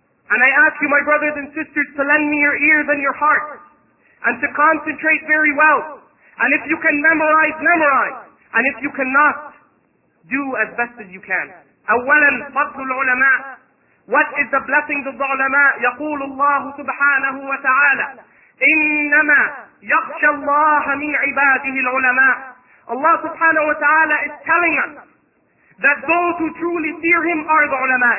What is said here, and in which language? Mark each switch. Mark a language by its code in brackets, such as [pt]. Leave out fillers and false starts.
[en] And I ask you, my brothers and sisters, to lend me your ears and your heart, and to concentrate very well. And if you can memorize, memorize. And if you cannot, do as best as you can. [ar] أولاً فضل العلماء. [en] What is the blessing of the ulama? [ar] يقول الله سبحانه وتعالى إنما يخشى الله من عباده العلماء. [en] Allah subhanahu wa ta'ala is telling us that those who truly fear Him are the ulama.